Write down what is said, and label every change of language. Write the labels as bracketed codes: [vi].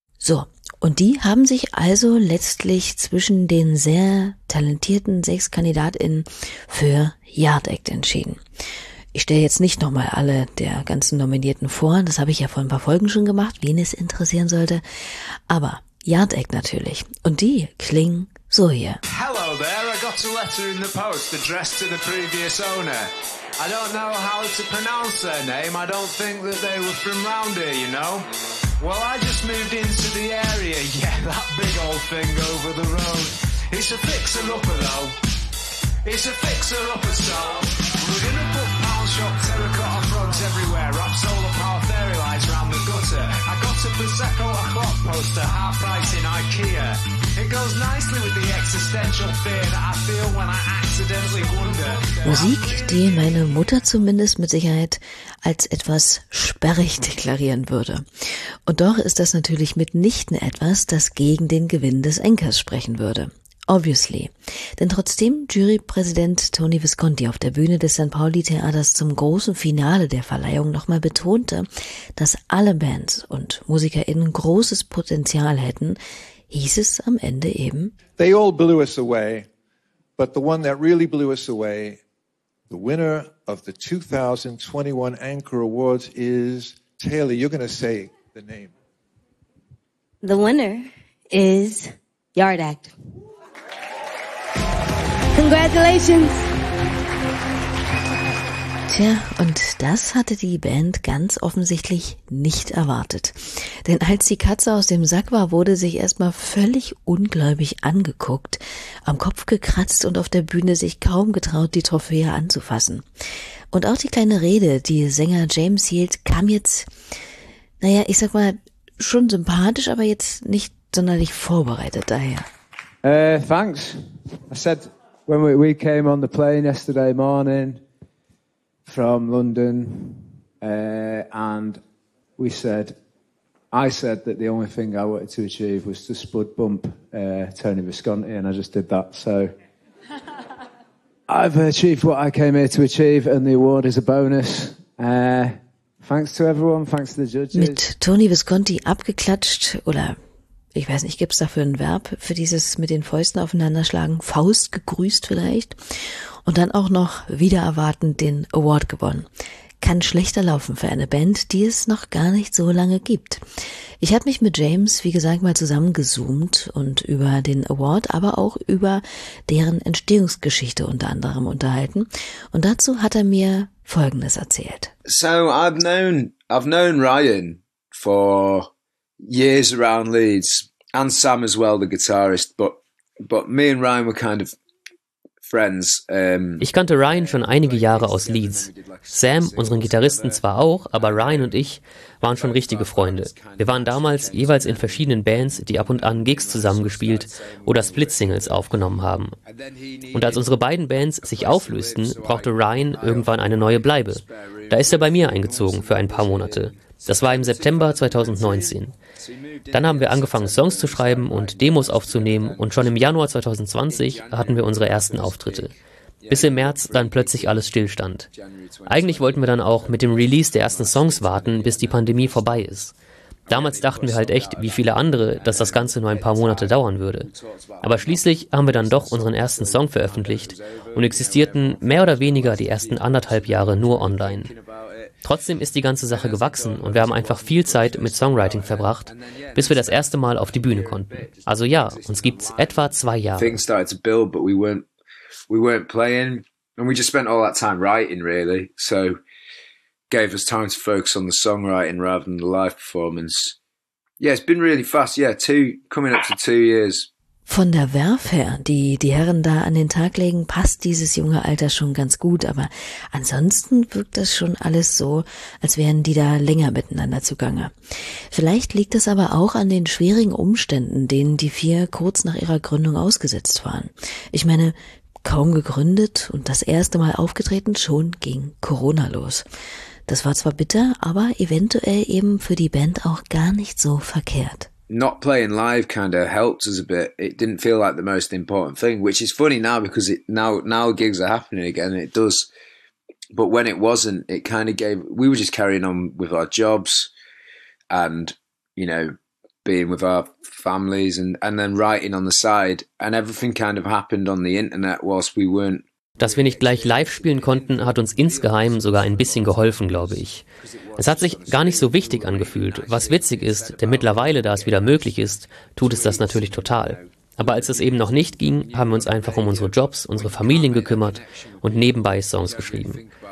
[de] So, und die haben sich also letztlich zwischen den sehr talentierten 6 KandidatInnen für Yard Act entschieden. Ich stelle jetzt nicht nochmal alle der ganzen Nominierten vor, das habe ich ja vor ein paar Folgen schon gemacht, wen es interessieren sollte, aber Yard Act natürlich. Und die klingen so hier. [en] Hello there, I got a letter in the post addressed to the previous owner. I don't know how to pronounce their name, I don't think that they were from round here, you know. Well, I just moved into the area, yeah, that big old thing over the road. It's a fixer-upper though, it's a fixer-upper style. We're gonna put pound shop terracotta frogs everywhere, wrap solar power fairy lights around the gutter. I got a Prosecco o'clock poster, half price in Ikea. It goes deals nicely with the existential fear that I feel when I accidentally wonder. [de] Musik, die meine Mutter zumindest mit Sicherheit als etwas sperrig deklarieren würde. Und doch ist das natürlich mitnichten etwas, das gegen den Gewinn des Enkers sprechen würde. [en] Obviously. [de] Denn trotzdem Jurypräsident Tony Visconti auf der Bühne des St. Pauli Theaters zum großen Finale der Verleihung nochmal betonte, dass alle Bands und MusikerInnen großes Potenzial hätten, hieß es am Ende eben: [en] They all blew us away, but the one that really blew us away, the winner of the 2021 Anchor Awards is Taylor. You're gonna say the name. The winner is Yard Act. Congratulations! [de] Tja, und das hatte die Band ganz offensichtlich nicht erwartet. Denn als die Katze aus dem Sack war, wurde sich erstmal völlig ungläubig angeguckt, am Kopf gekratzt und auf der Bühne sich kaum getraut, die Trophäe anzufassen. Und auch die kleine Rede, die Sänger James hielt, kam jetzt, naja, ich sag mal, schon sympathisch, aber jetzt nicht sonderlich vorbereitet daher. [en] Thanks. I said, when we came on the plane yesterday morning from London, and we said, I said that the only thing I wanted to achieve was to spud bump Tony Visconti, and I just did that. So I've achieved what I came here to achieve, and the award is a bonus. Thanks to everyone. Thanks to the judges. [de] Mit Tony Visconti abgeklatscht, oder? Ich weiß nicht, gibt's dafür ein Verb für dieses mit den Fäusten aufeinanderschlagen? Faust gegrüßt vielleicht? Und dann auch noch wieder erwartend den Award gewonnen. Kann schlechter laufen für eine Band, die es noch gar nicht so lange gibt. Ich habe mich mit James, wie gesagt, mal zusammengezoomt und über den Award, aber auch über deren Entstehungsgeschichte unter anderem unterhalten. Und dazu hat er mir Folgendes erzählt. [en] So, I've known Ryan for years around Leeds, and Sam as well, the guitarist, but me and Ryan were kind of friends. [de] Ich kannte Ryan schon einige Jahre aus Leeds. Sam, unseren Gitarristen zwar auch, aber Ryan und ich waren schon richtige Freunde. Wir waren damals jeweils in verschiedenen Bands, die ab und an Gigs zusammengespielt oder Split-Singles aufgenommen haben. Und als unsere beiden Bands sich auflösten, brauchte Ryan irgendwann eine neue Bleibe. Da ist er bei mir eingezogen für ein paar Monate. Das war im September 2019. Dann haben wir angefangen, Songs zu schreiben und Demos aufzunehmen, und schon im Januar 2020 hatten wir unsere ersten Auftritte. Bis im März dann plötzlich alles stillstand. Eigentlich wollten wir dann auch mit dem Release der ersten Songs warten, bis die Pandemie vorbei ist. Damals dachten wir halt echt, wie viele andere, dass das Ganze nur ein paar Monate dauern würde. Aber schließlich haben wir dann doch unseren ersten Song veröffentlicht und existierten mehr oder weniger die ersten anderthalb Jahre nur online. Trotzdem ist die ganze Sache gewachsen und wir haben einfach viel Zeit mit Songwriting verbracht, bis wir das erste Mal auf die Bühne konnten. Also ja, uns gibt's etwa 2 Jahre. [en] Things started to build, but we weren't playing, and we just spent all that time writing really. So gave us time to focus on the songwriting rather than the live performance. Yeah, it's been really fast. Yeah, coming up to 2 years. [de] Von der Werf her, die die Herren da an den Tag legen, passt dieses junge Alter schon ganz gut. Aber ansonsten wirkt das schon alles so, als wären die da länger miteinander zugange. Vielleicht liegt das aber auch an den schwierigen Umständen, denen die vier kurz nach ihrer Gründung ausgesetzt waren. Ich meine, kaum gegründet und das erste Mal aufgetreten, schon ging Corona los. Das war zwar bitter, aber eventuell eben für die Band auch gar nicht so verkehrt. [en] Not playing live kind of helped us a bit. It didn't feel like the most important thing, which is funny now because now gigs are happening again. It does, but when it wasn't, it kind of gave. We were just carrying on with our jobs, and you know, being with our families, and then writing on the side, and everything kind of happened on the internet whilst we weren't. [de] Dass wir nicht gleich live spielen konnten, hat uns insgeheim sogar ein bisschen geholfen, glaube ich. Es hat sich gar nicht so wichtig angefühlt, was witzig ist, denn mittlerweile, da es wieder möglich ist, tut es das natürlich total. Aber als es eben noch nicht ging, haben wir uns einfach um unsere Jobs, unsere Familien gekümmert und nebenbei Songs geschrieben.